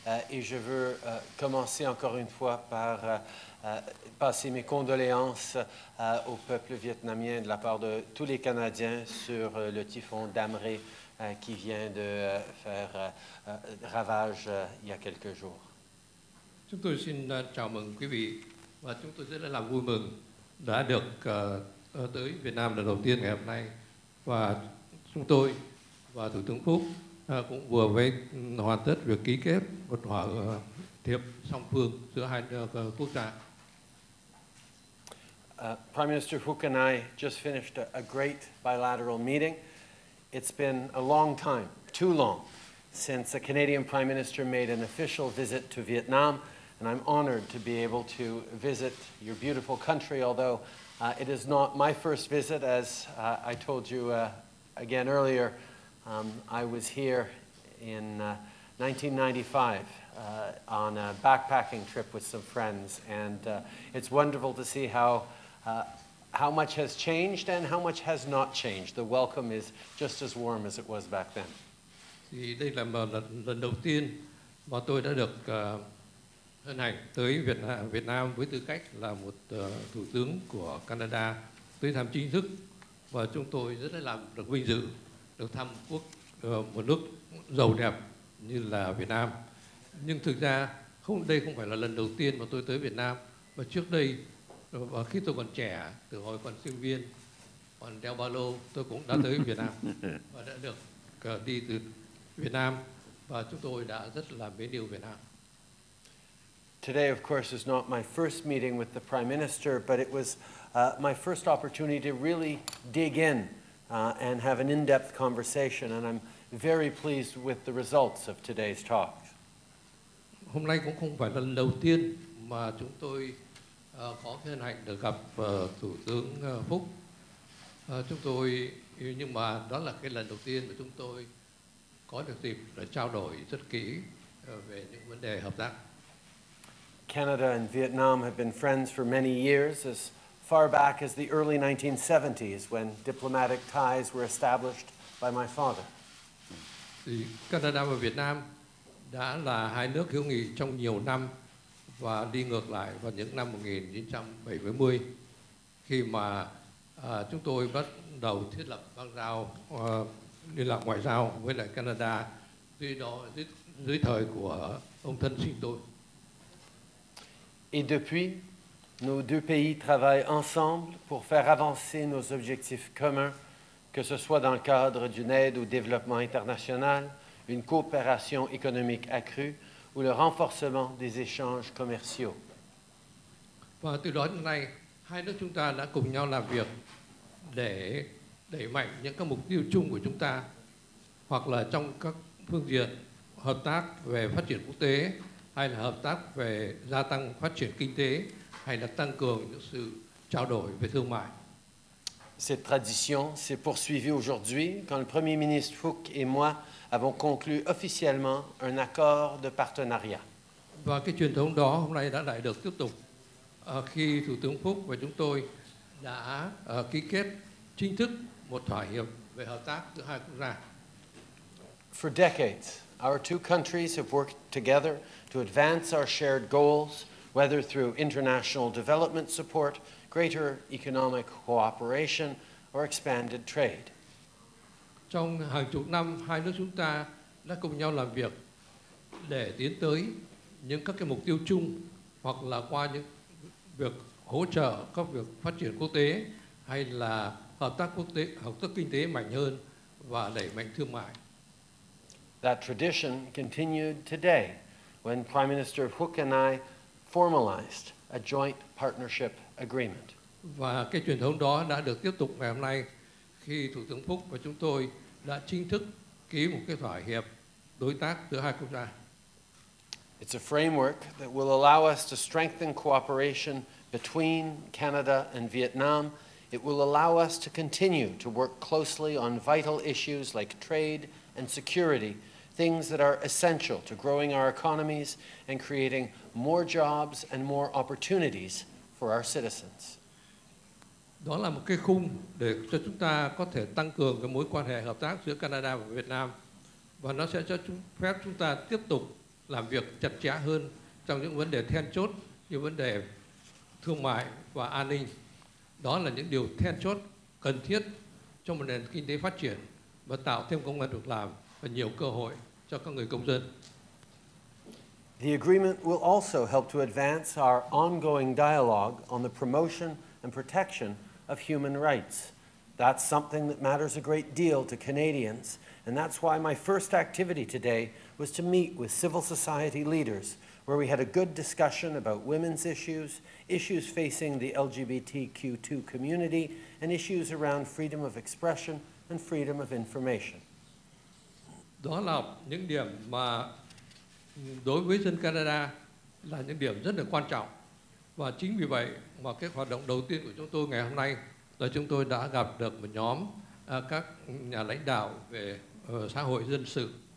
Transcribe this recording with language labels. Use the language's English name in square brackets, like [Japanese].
[French] Et je veux commencer encore une fois par passer mes condoléances au peuple vietnamien de la part de tous les Canadiens sur le typhon Damré qui vient de faire ravage il y a quelques jours. [Vietnamese] Chúng tôi xin chào mừng quý vị và chúng tôi rất là vui mừng đã được tới Việt Nam lần đầu tiên ngày hôm nay và chúng tôi và Thủ tướng Phúc cũng vừa mới hoàn tất việc ký kết một thỏa hiệp song phương giữa hai quốc gia. [English] Prime Minister Phúc and I just finished a great bilateral meeting. It's been a long time, too long, since a Canadian Prime Minister made an official visit to Vietnam, and I'm honored to be able to visit your beautiful country, although it is not my first visit, as I told you again earlier. I was here in 1995 on a backpacking trip with some friends, and it's wonderful to see how much has changed and how much has not changed. The welcome is just as warm as it was back then. [Vietnamese] Thì đây là lần đầu tiên mà tôi đã được hân hạnh tới Việt Nam với tư cách là một thủ tướng của Canada tới thăm chính thức, và chúng tôi rất là được vinh dự được thăm một nước giàu đẹp như là Việt Nam. Nhưng thực ra đây không phải là lần đầu tiên mà tôi tới Việt Nam, và trước đây và khi tôi còn trẻ, từ hồi còn sinh viên, còn đeo ba lô, tôi cũng đã tới Việt Nam và đã được đi từ Việt Nam và chúng tôi đã rất là mến yêu Việt Nam. [English] Today, of course, is not my first meeting with the Prime Minister, but it was my first opportunity to really dig in and have an in-depth conversation, and I'm very pleased with the results of today's talk. [Vietnamese] Hôm nay cũng không phải lần đầu tiên mà chúng tôi có hân hạnh được gặp Thủ tướng Phúc. Chúng tôi, nhưng mà đó là cái lần đầu tiên mà chúng tôi có được dịp để trao đổi rất kỹ về những vấn đề hợp tác. [English] Canada and Vietnam have been friends for many years, as far back as the early 1970s, when diplomatic ties were established by my father. [Vietnamese] Thì Canada và Việt Nam đã là hai nước hữu nghị trong nhiều năm, và đi ngược lại vào những năm 1970, khi mà chúng tôi bắt đầu thiết lập băng giao liên lạc ngoại giao với lại Canada dưới thời của ông thân sinh tôi. [French] Et depuis, nos deux pays travaillent ensemble pour faire avancer nos objectifs communs, que ce soit dans le cadre d'une aide au développement international, une coopération économique accrue ou le renforcement des échanges commerciaux. [Vietnamese] Và từ đó đến nay, hai nước chúng ta đã cùng nhau làm việc để đẩy mạnh những các mục tiêu chung của chúng ta, hoặc là trong các phương diện hợp tác về phát triển quốc tế, hay là hợp tác về gia tăng phát triển kinh tế, hay là tăng cường những sự trao đổi về thương mại. [French] Cette tradition s'est poursuivie aujourd'hui quand le Premier ministre Phúc et moi avons conclu officiellement un accord de partenariat. [Vietnamese] Và cái truyền thống đó hôm nay đã lại được tiếp tục khi Thủ tướng Phúc và chúng tôi đã ký kết chính thức một thỏa hiệp về hợp tác giữa hai quốc gia. [English] For decades, our two countries have worked together to advance our shared goals, whether through international development support, greater economic cooperation, or expanded trade. [Vietnamese] Trong hàng chục năm, hai nước chúng ta đã cùng nhau làm việc để tiến tới những các cái mục tiêu chung, hoặc là qua những việc hỗ trợ các việc phát triển quốc tế, hay là hợp tác quốc tế, hợp tác kinh tế mạnh hơn và đẩy mạnh thương mại. [English] That tradition continued today when Prime Minister Phúc and I formalized a joint partnership agreement. [Vietnamese] Và cái truyền thống đó đã được tiếp tục ngày hôm nay khi Thủ tướng Phúc và chúng tôi đã chính thức ký một cái thỏa hiệp đối tác giữa hai quốc gia. [English] It's a framework that will allow us to strengthen cooperation between Canada and Vietnam. It will allow us to continue to work closely on vital issues like trade and security, things that are essential to growing our economies and creating more jobs and more opportunities for our citizens. [Vietnamese] Đó là một cái khung để cho chúng ta có thể tăng cường cái mối quan hệ hợp tác giữa Canada và Việt Nam và nó sẽ cho chúng phép chúng ta tiếp tục làm việc chặt chẽ hơn trong những vấn đề then chốt như vấn đề thương mại và an ninh. Đó là những điều then chốt cần thiết cho một nền kinh tế phát triển và tạo thêm công ăn việc làm và nhiều cơ hội cho các người công dân. [English] The agreement will also help to advance our ongoing dialogue on the promotion and protection of human rights. That's something that matters a great deal to Canadians, and that's why my first activity today was to meet with civil society leaders, where we had a good discussion about women's issues, issues facing the LGBTQ2 community, and issues around freedom of expression and freedom of information. [Vietnamese] Đó là những điểm mà đối với dân Canada là những điểm rất là quan trọng. Và chính vì vậy mà cái hoạt động đầu tiên của chúng tôi ngày hôm nay là chúng tôi đã gặp được một nhóm các nhà lãnh đạo về xã hội dân sự.